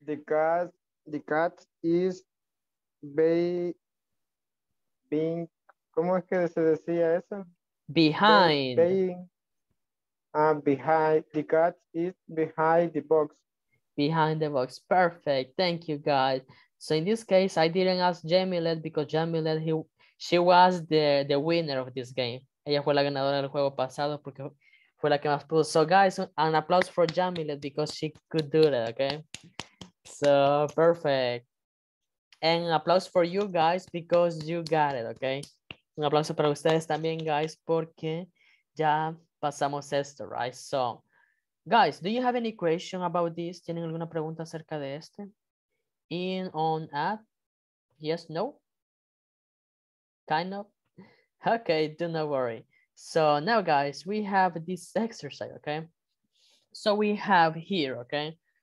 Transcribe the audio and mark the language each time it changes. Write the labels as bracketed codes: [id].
[en] The cat is being, [es] ¿cómo es que se decía eso? [en] Behind. The cat is behind the box. Behind the box. Perfect. Thank you, guys. So in this case, I didn't ask Jamilet because Jamilet, she was the winner of this game. [es] Ella fue la ganadora del juego pasado porque fue la que más pudo. [en] So guys, an applause for Jamilet because she could do that, okay? So perfect. And applause for you guys because you got it, okay? [es] Un aplauso para ustedes también, guys, porque ya pasamos esto, right? [en] So, guys, do you have any question about this? [es] ¿Tienen alguna pregunta acerca de este? [en] In, on, at? Yes, no? Kind of? Okay, do not worry. So now, guys, we have this exercise, okay? So we have here, okay?